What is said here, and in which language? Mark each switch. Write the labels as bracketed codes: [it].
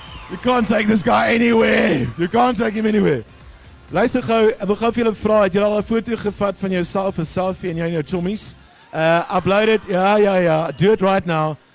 [en] You can't take this guy anywhere. You can't take him anywhere. [af] Luister gou, ek wil gou vir julle vra, het julle al 'n foto gevat van jouself, 'n selfie en jou en jou chommies? [en] Upload it, ja, do it right now.